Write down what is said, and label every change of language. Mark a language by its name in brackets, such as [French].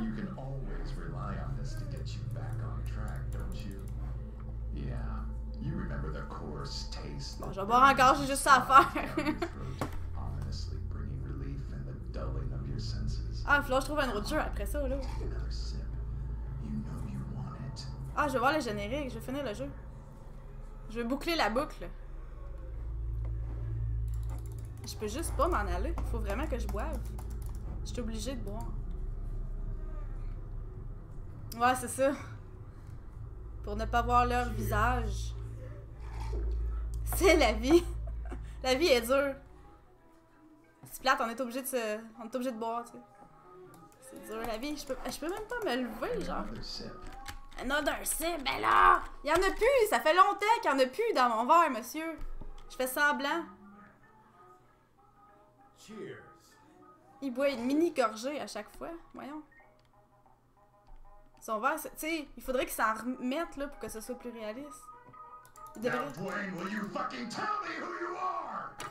[English] You can always rely on us to get you back on track, don't you? Yeah, you remember the coarse taste... [French] Bon, je vais boire encore, j'ai juste ça à faire! [English] Honestly, bringing relief and the dulling of your senses. [French] Ah, il va falloir que je trouve un autre jeu après ça, là. [English] You know you want it. [French] Ah, je vais voir le générique, je vais finir le jeu. Je vais boucler la boucle. Je peux juste pas m'en aller. Faut vraiment que je boive. Je suis obligée de boire. Ouais, c'est ça. Pour ne pas voir leur visage. C'est la vie. La vie est dure. C'est plate, on est obligé de boire, tu sais. C'est dur, la vie. Je peux même pas me lever, genre. [English] Another sip, [French] ben là! Il y en a plus! Ça fait longtemps qu'il y en a plus dans mon verre, monsieur. Je fais semblant. Il boit une mini gorgée à chaque fois, voyons. Son verre, tu sais, il faudrait qu'il s'en remette là pour que ce soit plus réaliste. Il devrait. [English] Now, Dwayne, will you fucking tell me who you are?